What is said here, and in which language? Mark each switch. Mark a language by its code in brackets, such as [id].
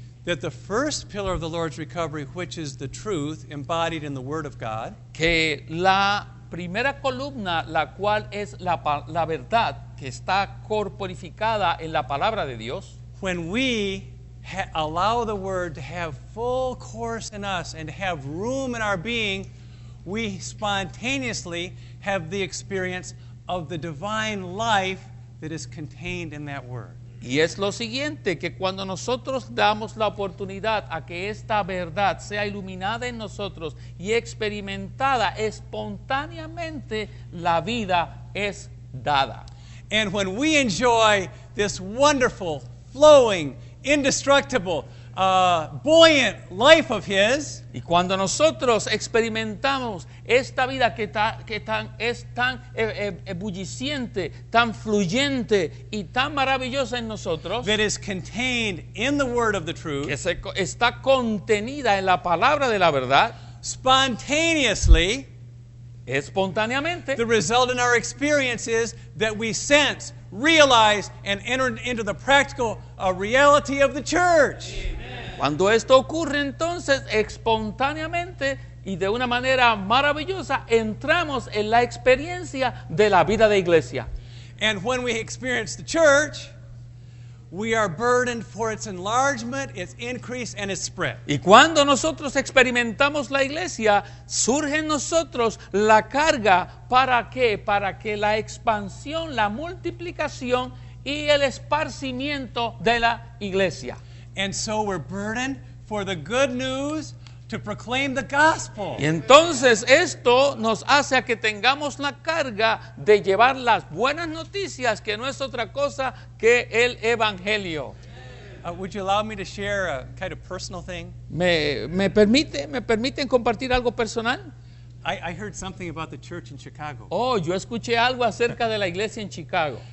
[en] That the first pillar of the Lord's recovery, which is the truth embodied in the Word of God. [es] Que la primera columna, la cual es la verdad, que está corporificada en la palabra de Dios. [en] When we allow the Word to have full course in us and have room in our being, we spontaneously have the experience of the divine life that is contained in that Word. [es] Y es lo siguiente, que cuando nosotros damos la oportunidad a que esta verdad sea iluminada en nosotros y experimentada espontáneamente, la vida es dada. [en] And when we enjoy this wonderful, flowing, indestructible, buoyant life of His, [es] y cuando nosotros experimentamos esta vida que es tan ebulliciente, tan fluyente y tan maravillosa en nosotros, [en] that is contained in the Word of the truth, [es] que está contenida en la palabra de la verdad, [en] spontaneously, [es] espontáneamente, [en] the result in our experience is that we sense, realize, and enter into the practical reality of the church. [es] Cuando esto ocurre, entonces, espontáneamente y de una manera maravillosa, entramos en la experiencia de la vida de iglesia. [en] And when we experience the church, we are burdened for its enlargement, its increase, and its spread. [es] Y cuando nosotros experimentamos la iglesia, surge en nosotros la carga, ¿para qué? Para que la expansión, la multiplicación y el esparcimiento de la iglesia. [en] And so we're burdened for the good news to proclaim the gospel. [es] Y entonces esto nos hace a que tengamos la carga de llevar las buenas noticias, que no es otra cosa que el evangelio. [en] Would you allow me to share a kind of personal thing? [es] ¿Me permiten compartir algo personal? [en] I heard something about the church in Chicago. [es] Oh, yo escuché algo acerca de la iglesia en Chicago.